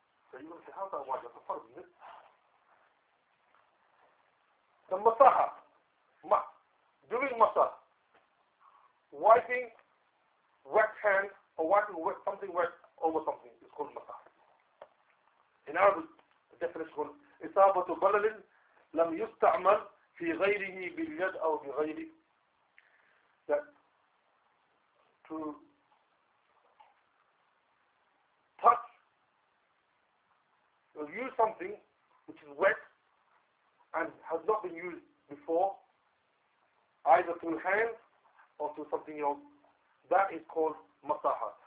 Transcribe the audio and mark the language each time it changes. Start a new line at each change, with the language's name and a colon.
English: So you're going to say, how is that wajib? That's a fard, isn't it? The masaha, doing masah, wiping wet hand or wiping wet, something wet over something is called masah. In Arabic, the definition is called
Arabic: إصابة بلل لم يستعمل في غيره باليد أو بغيره.
English: That to touch or use something which is wet and has not been used before, either through hands or through something else, that is called masaha.